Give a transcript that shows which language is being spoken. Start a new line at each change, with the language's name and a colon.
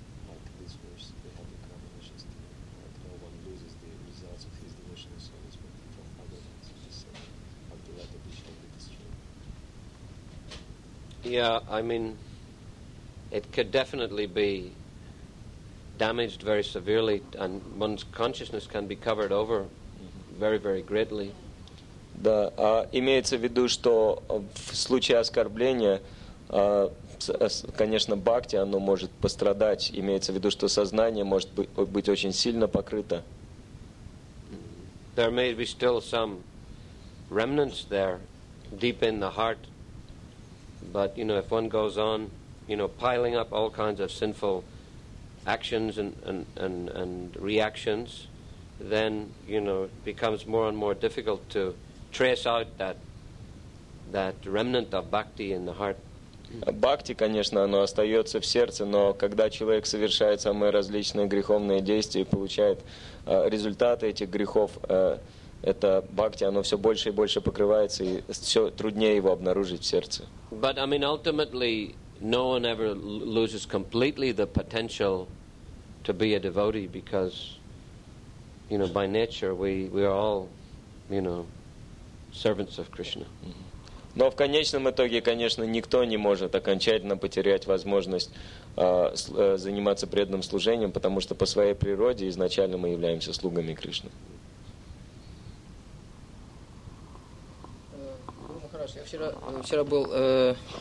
English: Like this verse, they have the combinations to like no one loses the results of his devotional service, but from other hands, it is said that the latter dish can be destroyed. Yeah, I mean, it could definitely be damaged very severely, and one's consciousness can be covered over very, very greatly.
Russian: Да, имеется в виду, что в случае оскорбления, конечно, бхакти, оно может пострадать. Имеется в виду, что сознание может быть очень сильно покрыто.
English: There may be still some remnants there, deep in the heart, but, you know, if one goes on, you know, piling up all kinds of sinful actions and reactions, then, you know, it becomes more and more difficult to trace out that remnant of bhakti in the heart.
Russian: Бхакти, конечно, оно остается в сердце, но когда человек совершает самые различные греховные действия и получает результаты этих грехов, это бхакти, оно все больше и больше покрывается, и все труднее его обнаружить в сердце.
English: But, I mean, ultimately, no one ever loses completely the potential to be a devotee because, you know, by nature we are all, you know, servants of Krishna.
Russian: Но в конечном итоге, конечно, никто не может окончательно потерять возможность заниматься преданным служением, потому что по своей природе изначально мы являемся слугами Кришны. Я вчера был.